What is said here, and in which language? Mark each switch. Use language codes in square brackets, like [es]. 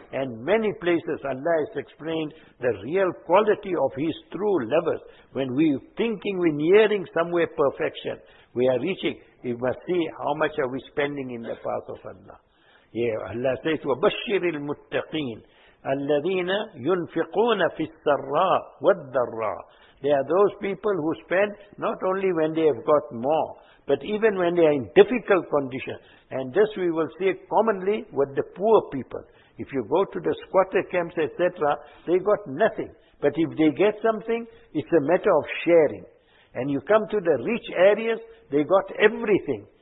[en] And many places Allah has explained the real quality of His true lovers. When we thinking we're nearing somewhere perfection, we are reaching, we must see how much are we spending in the path of Allah. Yeah, Allah says, [ar] وَبَشِّرِ الْمُتَّقِينَ الَّذِينَ يُنْفِقُونَ فِي السَّرَّاءِ وَالضَّرَّاءِ. [en] They are those people who spend not only when they have got more, but even when they are in difficult condition. And this we will see commonly with the poor people. If you go to the squatter camps, etc., they got nothing. But if they get something, it's a matter of sharing. And you come to the rich areas, they got everything.